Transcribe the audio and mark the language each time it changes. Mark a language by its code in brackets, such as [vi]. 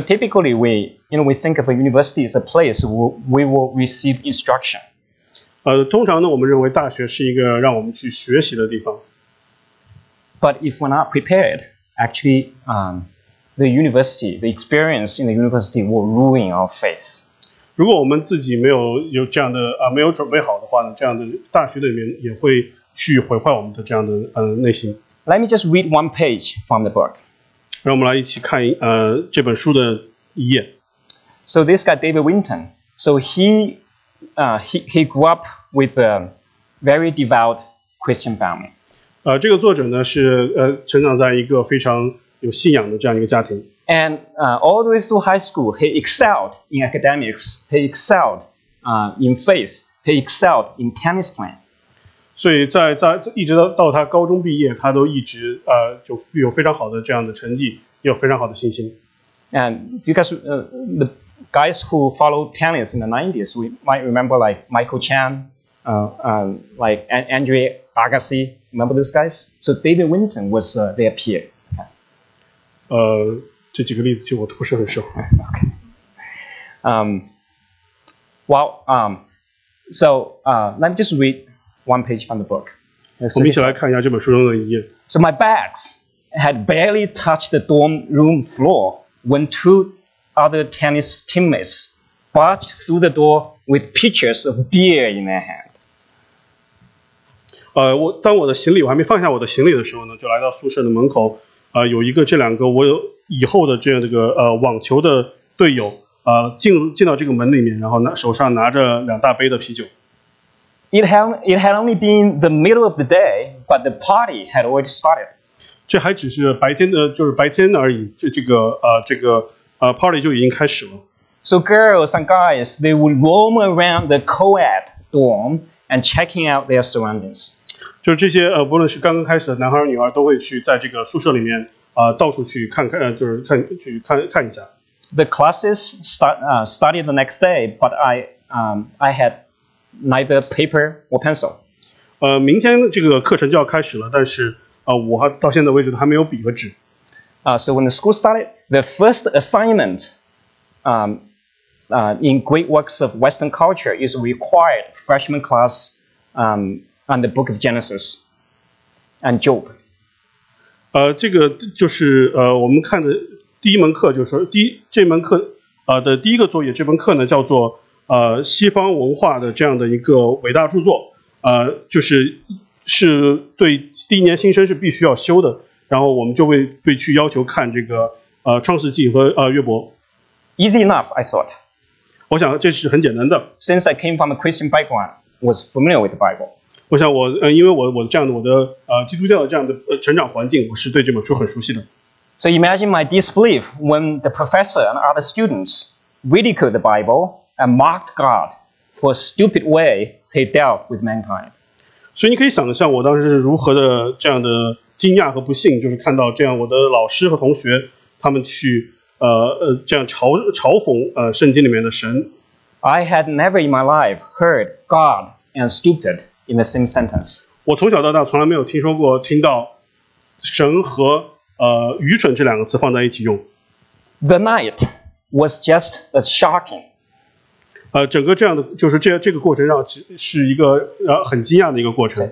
[en] typically we think of a university as a place where we will receive instruction. [zh] 通常呢，我们认为大学是一个让我们去学习的地方。 [en] But if we're not prepared, actually, the university, the experience in the university will ruin our faith. [zh] 如果我们自己没有有这样的啊没有准备好的话呢，这样的大学里面也会去毁坏我们的这样的内心。 [en] Let me just read one page from the book. [zh] 让我们来一起看这本书的一页。 [en] So this guy David Winton, so he grew up with a very devout Christian family. [zh] 这个作者呢是成长在一个非常有信仰的这样一个家庭。 [en] And all the way through high school, he excelled in academics, he excelled in faith, he excelled in tennis playing. [zh] 所以在一直到他高中毕业，他都一直就有非常好的这样的成绩，也有非常好的信心。 [en] And because the guys who followed tennis in the 90s, we might remember like Michael Chan, like Andre Agassi, remember those guys? So David Winton was their peer. [zh] 这几个例子就我都不是很熟。 [en] Let me just read one page from the book. [zh] 我们一起来看一下这本书中的一页。 [en] So my bags had barely touched the dorm room floor when two other tennis teammates barged through the door with pitchers of beer in their hand. [zh] 当我的行李，我还没放下我的行李的时候呢，就来到宿舍的门口。有一个这两个我有以后的这个网球的队友进到这个门里面，然后手上拿着两大杯的啤酒。 [en] It had only been the middle of the day, but the party had already started. [zh] 这还只是白天的，就是白天而已。这个 party 就已经开始了。 [en] So girls and guys, they would roam around the co-ed dorm and checking out their surroundings. [zh] 就这些无论是刚刚开始的男孩女孩都会去在这个宿舍里面。到处去看看，就是看去看看一下。 [en] The classes started the next day, but I had neither paper or pencil. [zh] 明天这个课程就要开始了，但是我到现在为止还没有笔和纸。 [en] So when the school started, the first assignment, in great works of Western culture is required freshman class, on the Book of Genesis, and Job. [zh] 这个就是我们看的第一门课，就是说这门课的第一个作业，这门课呢叫做西方文化的这样的一个伟大著作，就是对第一年新生是必须要修的，然后我们就会去要求看这个创世纪和约伯。 [en] Easy enough, I thought. [zh] 我想这是很简单的。 [en] Since I came from a Christian background, was familiar with the Bible. [zh] 我想我因为我这样的我的基督教的这样的成长环境，我是对这本书很熟悉的。 [en] So imagine my disbelief when the professor and other students ridiculed the Bible and mocked God for a stupid way he dealt with mankind. [zh] 所以你可以想象我当时是如何的这样的惊讶和不幸，就是看到这样我的老师和同学他们去这样嘲讽圣经里面的神。 [en] I had never in my life heard God and stupid. In the same sentence. [zh] 我从小到大从来没有听到神和愚蠢这两个词放在一起用。 [en] The night was just as shocking. [zh] 整个这样的就是这个过程让是一个很惊讶的一个过程。